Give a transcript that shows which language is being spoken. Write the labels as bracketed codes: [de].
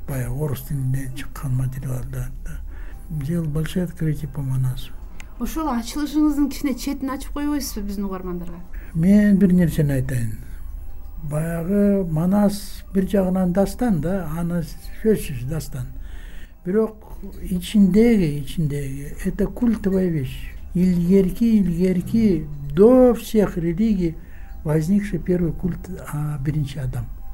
[ky] Баягы орус тилинде чыккан материалдарды. [ru] Сделал большое открытие по Манасу. [ky] Ошол ачылышыңыздын кичине четин ачып койбойсузбу биздин угармандарга? Мен бир нерсени айтайын. Баягы Манас бир жагынан дастан да, аны сөзсүз дастан. Бирок ичиндеги [ru] это культовая вещь. Илгерки до всех религий возникший первый культ, [ky] биринчи адам.